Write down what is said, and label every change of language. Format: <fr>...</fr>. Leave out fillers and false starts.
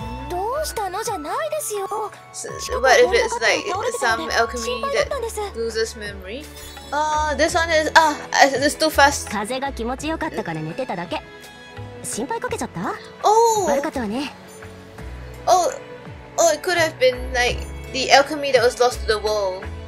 <en>What if it's like some alchemy that loses memory? This one is. It's too fast.</en> <ja>風が気持ちよかったから寝てただけ。心配かけちゃった? Oh! 悪かったわね。</ja> <en>Oh, it could have been like the alchemy that was lost to the world.</en>